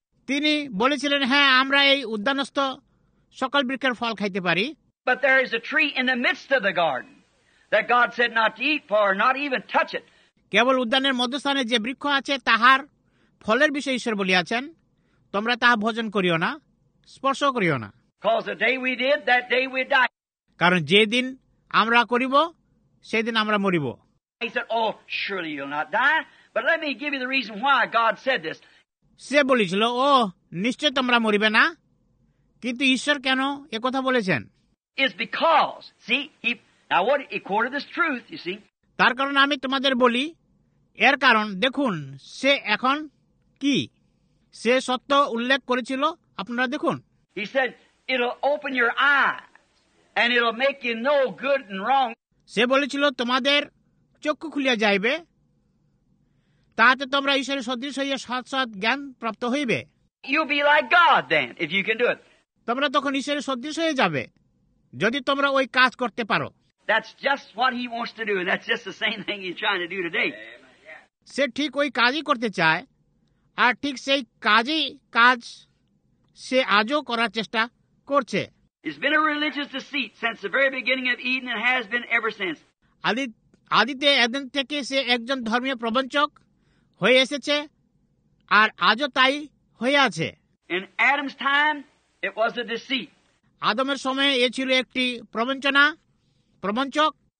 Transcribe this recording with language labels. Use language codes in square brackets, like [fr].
[bn] তিনি বলেছিলেন, হ্যাঁ, আমরা এই উদ্যানস্থ সকল বৃক্ষের ফল খাইতে পারি। [en] But there is a tree in the midst of the garden that God said not to eat for, not even touch it. [bn] কেবল উদ্যানের মধ্যস্থানে যে বৃক্ষ আছে তাহার ফলের বিষয়ে ঈশ্বর বলিয়াছেন, তোমরা তাহা ভোজন করিও না, স্পর্শ করিও না। [en] Because the day we did, that day we die. [bn] কারণ যেদিন আমরা করিব সেদিন আমরা মরিব। [en] He said, oh, surely you'll not die. But let me give you the reason why God said this. [bn] সে বলেছিল, ও নিশ্চয় তোমরা মরিবে না, কিন্তু ঈশ্বর কেন একথা বলেছেন? [en] Is because, see, he, now what, he quoted this truth, you see. [bn] তার কারণ আমি তোমাদের বলি, এর কারণ দেখুন সে এখন কি, সে সত্য উল্লেখ করেছিল, আপনারা দেখুন। [en] He said, it'll open your eye, and it'll make you know good and wrong. [bn] সে বলেছিল, তোমাদের চক্ষু খুলিয়া যাইবে, তাহাতে তোমরা ঈশ্বরের সদৃশ হইয়া সৎ সৎ জ্ঞান প্রাপ্ত হইবে। [en] You'll be like God then, if you can do it. [bn] তোমরা তখন ঈশ্বরের সদৃশ হয়ে যাবে, যদি তোমরা ওই কাজ করতে পারো। [en] That's just what he wants to do, and that's just the same thing he's trying to do today. [bn] সে ঠিক ওই কাজই করতে চায়, আর ঠিক সেই কাজই কাজ সে আজও করার চেষ্টা করছে। [en] It's been a religious deceit since the very beginning of Eden and has been ever since. [bn] আদিতে এদেন থেকে সে একজন ধর্মীয় প্রবঞ্চক হয়ে এসেছে, আর আজও তাই হয়ে আছে। [en] In Adam's time, it was a deceit. [bn] আদমের সময়ে এ ছিল একটি প্রবঞ্চনা, প্রবঞ্চক।